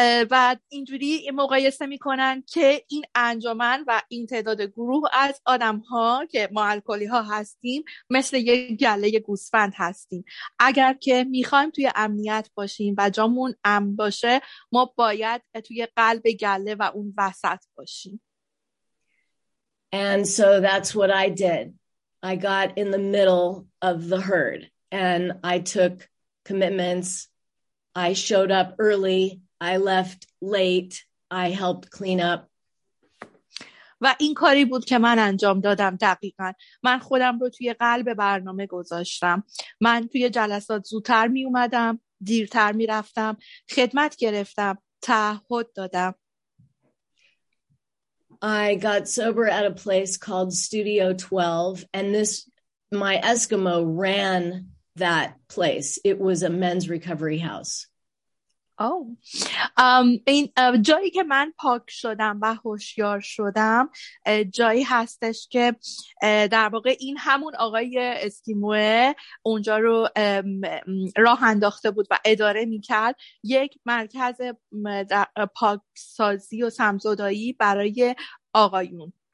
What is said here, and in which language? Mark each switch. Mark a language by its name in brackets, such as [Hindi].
[Persian] و اینجوری مقایسه میکنن که این انجمن و این تعداد گروه از آدم ها که ما الکلی ها هستیم مثل یک گله گوسفند هستیم. اگر که میخوایم توی امنیت باشیم و جامون امن باشه، ما باید توی قلب گله و اون وسط باشیم. [English] And so that's what I did. I got in the middle of the herd and I took commitments. I showed up early, I left late, I helped clean up. [Persian] و این کاری بود که من انجام دادم دقیقاً. من خودم رو توی قلب برنامه گذاشتم. من توی جلسات زودتر می اومدم، دیرتر می رفتم، خدمت گرفتم، تعهد دادم. [English] I got sober at a place called Studio 12 and this my Eskimo ran that place. It was a men's recovery house. Oh. [Persian] این جایی که من پاک شدم و هوشیار شدم جایی هستش که در واقع این همون آقای اسکیموه اونجا رو راه انداخته بود و اداره میکرد، یک مرکز پاکسازی و سمزدایی برای آقایون.